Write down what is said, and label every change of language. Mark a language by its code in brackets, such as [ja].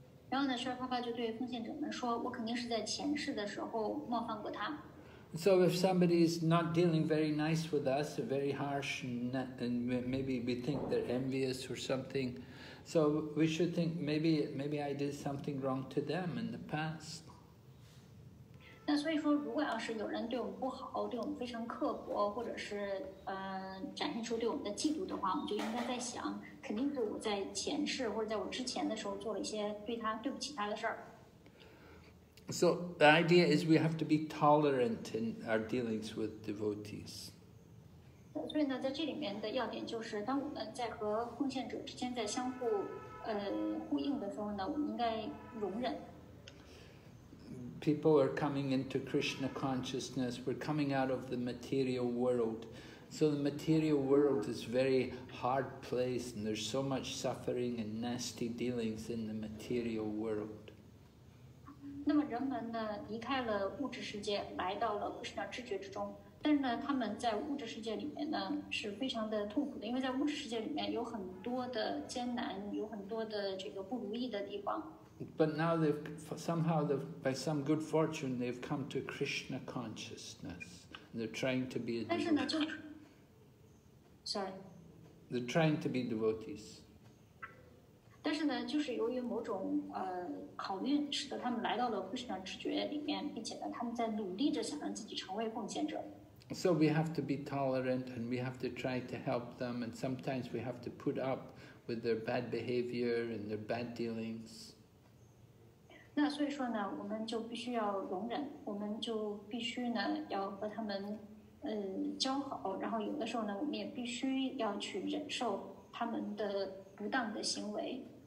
[zh] 然后呢Srila Prabhupada就对奉献者们说，我肯定是在前世的时候冒犯过他。 [en] So if somebody is not dealing very nice with us, very harsh, and maybe we think they're envious or something, so we should think maybe I did something wrong to them in the past. [zh] 那所以说，如果要是有人对我们不好，对我们非常刻薄，或者是展现出对我们的嫉妒的话，我们就应该在想，肯定是我在前世或者在我之前的时候做了一些对不起他的事儿。 [en] So the idea is we have to be tolerant in our dealings with devotees. [zh] 所以呢，在这里面的要点就是，当我们在和奉献者之间在相互呼应的时候呢，我们应该容忍。 [en] People are coming into Krishna consciousness. We're coming out of the material world, so the material world is very hard place, and there's so much suffering and nasty dealings in the material world. [zh] 那么人们呢离开了物质世界，来到了不是那知觉之中，但是呢他们在物质世界里面呢是非常的痛苦的，因为在物质世界里面有很多的艰难，有很多的这个不如意的地方。 [en] But now they've somehow by some good fortune they've come to Krishna consciousness. They're trying to be a devotee. [zh] 但是呢就 ， [en] sorry， they're trying to be devotees. [zh] 但是呢，就是由于某种考虑，使得他们来到了 Krishna 知觉里面，并且呢，他们在努力着想让自己成为奉献者。 [en] So we have to be tolerant and we have to try to help them, and sometimes we have to put up with their bad behavior and their bad dealings. [zh] 那所以说呢，我们就必须要容忍，我们就必须呢要和他们交好，然后有的时候呢我们也必须要去忍受他们的不当的行为。